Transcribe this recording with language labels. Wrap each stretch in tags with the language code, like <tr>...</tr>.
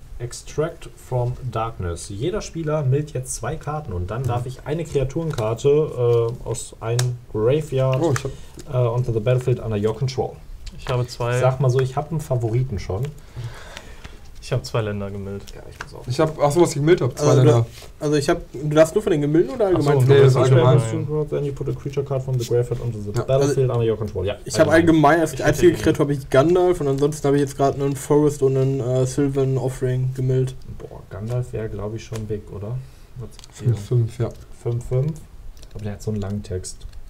<de>Extract from Darkness. Jeder Spieler mildt jetzt 2 Karten und dann darf ich eine Kreaturenkarte aus einem Graveyard</de> <en>onto the Battlefield under your control.</en> <de>Ich habe 2. Sag mal so, ich habe einen Favoriten schon. Ich habe 2 Länder gemillt. Ja, ich muss auch. Was ich gemillt habe? 2 Länder. Also ich habe. Du darfst nur von den gemillten oder allgemein? Wenn</de> <en>you put a creature card from the graveyard onto the battlefield under your control.</en> <de>Ja, ich habe allgemein als einzige Kreatur habe ich Gandalf und ansonsten habe ich jetzt gerade einen Forest und einen Sylvan Offering gemillt. Boah, Gandalf wäre glaube ich schon big, oder? 5-5, ja. 5-5. Aber der hat so einen langen Text.</de>